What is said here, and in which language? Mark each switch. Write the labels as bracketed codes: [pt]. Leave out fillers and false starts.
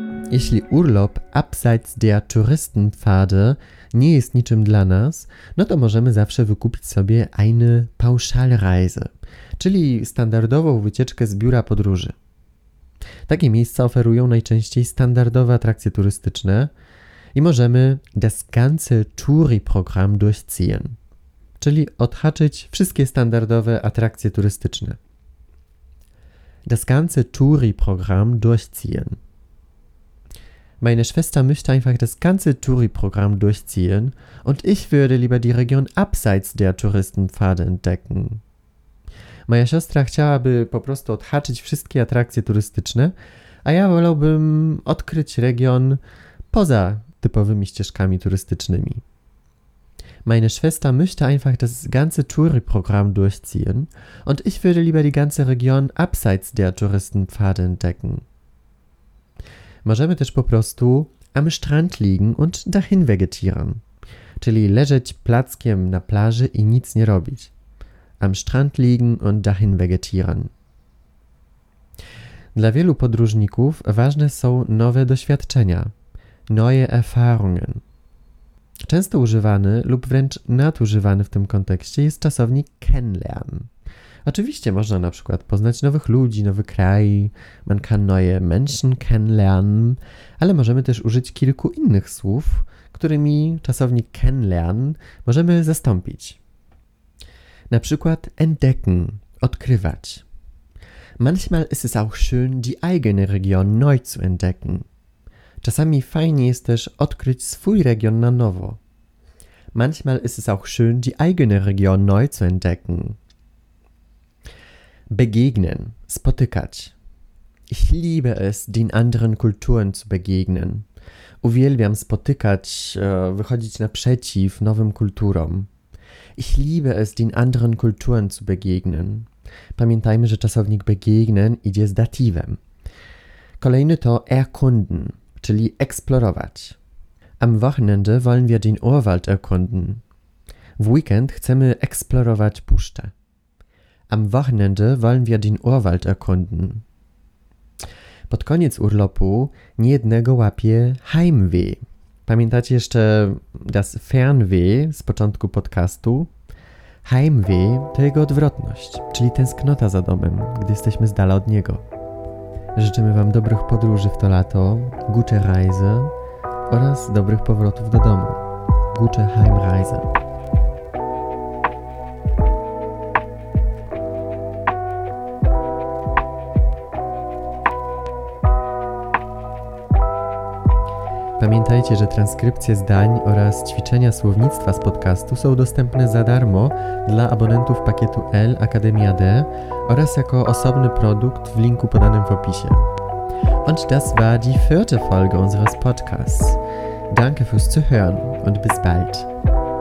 [pl] Jeśli urlop [de] abseits der Touristenpfade [pl] nie jest niczym dla nas, no to możemy zawsze wykupić sobie [de] eine Pauschalreise, [pl] czyli standardową wycieczkę z biura podróży. Takie miejsca oferują najczęściej standardowe atrakcje turystyczne i możemy [de] das ganze Touri-Programm durchziehen, [pl] czyli odhaczyć wszystkie standardowe atrakcje turystyczne. [de] Das ganze Touri-Programm durchziehen. Meine Schwester möchte einfach das ganze Touri-Programm durchziehen und ich würde lieber die Region abseits der Touristenpfade entdecken. [pl] Moja siostra chciałaby po prostu odhaczyć wszystkie atrakcje turystyczne, a ja wolałbym odkryć region poza typowymi ścieżkami turystycznymi. [de] Meine Schwester möchte einfach das ganze Touri-Programm durchziehen und ich würde lieber die ganze Region abseits der Touristenpfade entdecken. [pl] Możemy też po prostu [de] am Strand liegen und dahin vegetieren, [pl] czyli leżeć plackiem na plaży i nic nie robić. [de] Am Strand liegen und dahin vegetieren. [pl] Dla wielu podróżników ważne są nowe doświadczenia, [de] neue Erfahrungen. [pl] Często używany lub wręcz nadużywany w tym kontekście jest czasownik kennenlernen. Oczywiście można na przykład poznać nowych ludzi, nowy kraj, [de] man kann neue Menschen kennenlernen, [pl] ale możemy też użyć kilku innych słów, którymi czasownik kennenlernen możemy zastąpić. Na przykład entdecken, odkrywać. [de] Manchmal ist es auch schön, die eigene Region neu zu entdecken. [pl] Czasami fajnie jest też odkryć swój region na nowo. [de] Manchmal ist es auch schön, die eigene Region neu zu entdecken. Begegnen, spotykać. Ich liebe es, den anderen Kulturen zu begegnen. [pl] Uwielbiam spotykać, wychodzić naprzeciw nowym kulturom. [de] Ich liebe es, den anderen Kulturen zu begegnen. [pl] Pamiętajmy, że czasownik begegnen idzie z datywem. Kolejny to erkunden, czyli eksplorować. [de] Am Wochenende wollen wir den Urwald erkunden. [pl] W weekend chcemy eksplorować puszczę. [de] Am Wochenende wollen wir den Urwald erkunden. [pl] Pod koniec urlopu niejednego łapie Heimweh. Pamiętacie jeszcze das Fernweh z początku podcastu? Heimweh to jego odwrotność, czyli tęsknota za domem, gdy jesteśmy z dala od niego. Życzymy Wam dobrych podróży w to lato, [de] gute Reise [pl] oraz dobrych powrotów do domu, [de] gute Heimreise. [pl] Pamiętajcie, że transkrypcje zdań oraz ćwiczenia słownictwa z podcastu są dostępne za darmo dla abonentów pakietu L Akademia D oraz jako osobny produkt w linku podanym w opisie. [de] Und das war die vierte Folge unseres Podcasts. Danke fürs Zuhören und bis bald.